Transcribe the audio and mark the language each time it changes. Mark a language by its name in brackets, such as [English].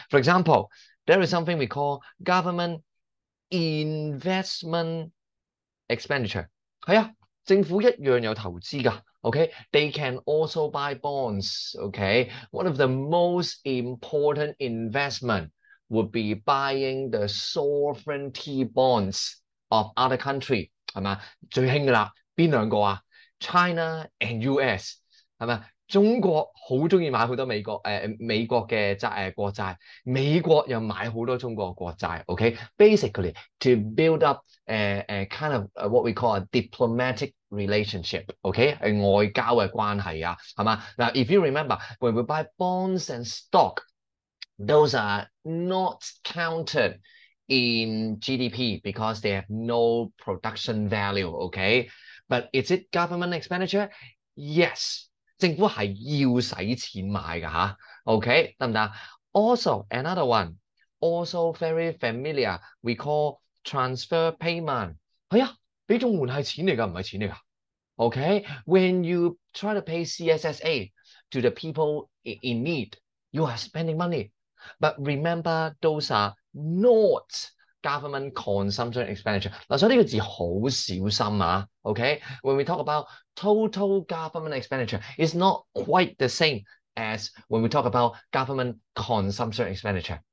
[English] For example, there is something we call government investment expenditure [Cantonese] 係啊，政府一樣有投資㗎。 [English] OK，they can also buy bonds。 OK，one of the most important investment would be buying the sovereignty bonds of other country [Cantonese] 係嘛？最興㗎啦，邊兩個啊？ [English] China and US [Cantonese] 係咪？中國好中意買好多美國嘅國債，美國又買好多中國國債。 [English] OK，basically、okay? to build up kind of what we call a diplomatic relationship。 [Cantonese] OK，係外交嘅關係啊，係嘛？ [English] 嗱，if you remember，when we buy bonds and stock，those are not counted in GDP because they have no production value。 OK，but is it government expenditure？Yes。 [Cantonese] 政府係要使錢買㗎吓 o k 得唔得？ [English] Also another one，also very familiar，we call transfer payment。 [Cantonese] 係啊，俾綜援係錢嚟㗎，唔係錢嚟㗎。 [English] OK，when you try to pay CSSA to the people in need，you are spending money。 But remember those are not government consumption expenditure。 [Cantonese] 嗱，所以呢個字好小心啊。 [English] OK，when we talk about total government expenditure is not quite the same as when we talk about government consumption expenditure.